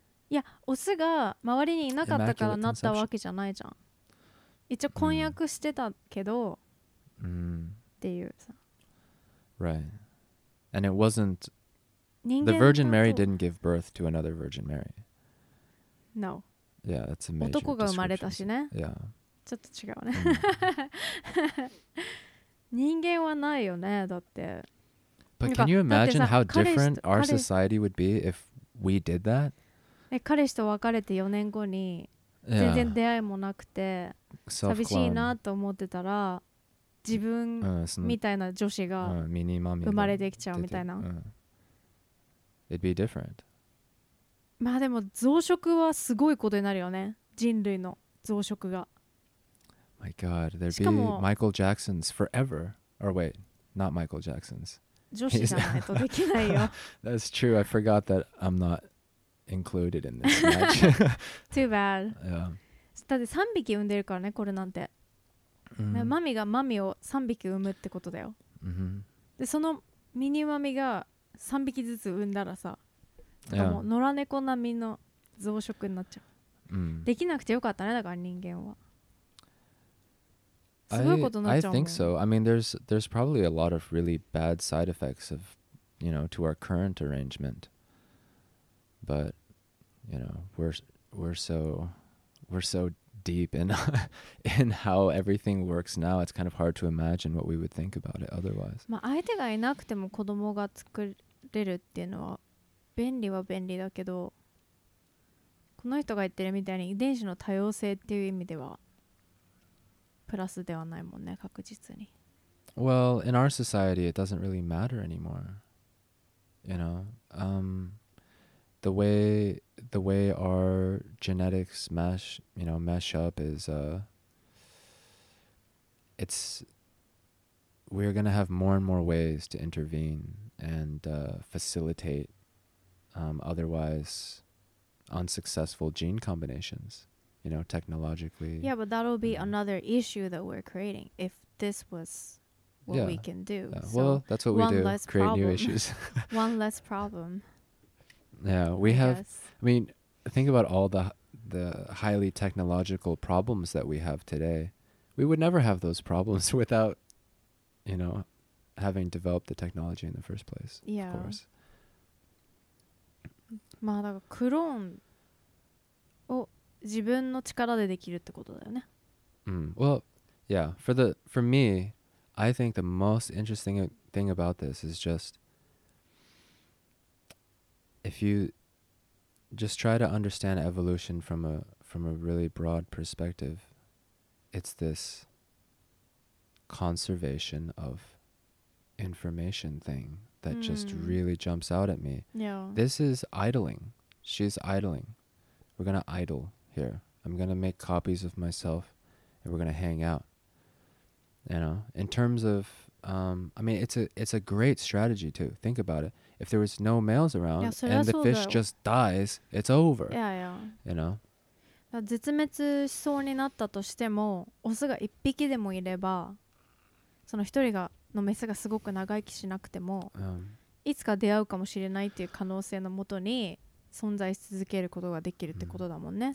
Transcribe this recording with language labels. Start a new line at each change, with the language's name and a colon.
Japanese: いや、オスが周りにいなかったからなったわけじゃないじゃん。一応婚約してたけど、っていうさ。
English: Right. And it wasn't... The Virgin Mary didn't give birth to another Virgin Mary. No. Yeah, that's a major difference.
Japanese: 男が生まれたしね。
English: Yeah.
Japanese: ちょっと違うね。人間はないよね、だって。
English: But But can you imagine how different our society would be if we did that?
Japanese: 彼氏と別れて4年後に全然出会いもなくて寂しいなと思ってたら自分みたいな女子が生まれてきちゃうみたいな。
English: It'd be different.
Japanese: まあでも増殖はすごいことになるよね。人類の増殖が。
English: My God, there'd be Michael Jackson's forever. Or wait, not Michael Jackson's.
Japanese: 女子じゃないとできないよ。
English: That's true. I forgot that I'm not included in this match. Too bad. Yeah.
Japanese: だって3匹産んでるからね、これなんて。 Mm-hmm. マミがマミを3匹産むってことだよ。 Mm-hmm. で、そのミニマミが3匹ずつ産んだらさ、もう野良猫並みの増殖になっちゃう。 Mm. できなくてよかったね、だから人間は。すごいことになっちゃうもん。
English: I think so. I mean, there's probably a lot of really bad side effects of, you know, to our current arrangement. But, you know, we're so deep in how everything works now. It's kind of hard to imagine what we would think about it otherwise.
Japanese: まあ相手がいなくても子供が作れるっていうのは便利は便利だけど、この人が言ってるみたいに遺伝子の多様性っていう意味ではプラスではないもんね、確実に。
English: Well, in our society, it doesn't really matter anymore. You know, The way our genetics mesh up is, it's we're gonna have more and more ways to intervene and facilitate otherwise unsuccessful gene combinations, you know, technologically. Yeah, but that'll be another issue that we're creating if this was what we can do. Yeah. So well, that's what we do, create new issues. One less problem. Yeah, I mean, think about all the highly technological problems that we have today. We would never have those problems without, you know, having developed the technology in the first place. Yeah. Of course.
Japanese: まあだからクローンを自分の力でできるってことだよね。
English: Well, yeah. For me, I think the most interesting thing about this is just. If you just try to understand evolution from a really broad perspective, it's this conservation of information thing that just really jumps out at me. Yeah. This is idling. She's idling. We're going to idle here. I'm going to make copies of myself and we're going to hang out. You know, in terms of, I mean, it's a great strategy too. Think about it. If there was no males around and the fish just dies, it's over. Yeah, yeah. You know?
Japanese: 絶滅しそうになったとしても、オスが一匹でもいれば、その一人がのメスがすごく長生きしなくても、いつか出会うかもしれないっていう可能性のもとに存在し続けることができるってことだもんね。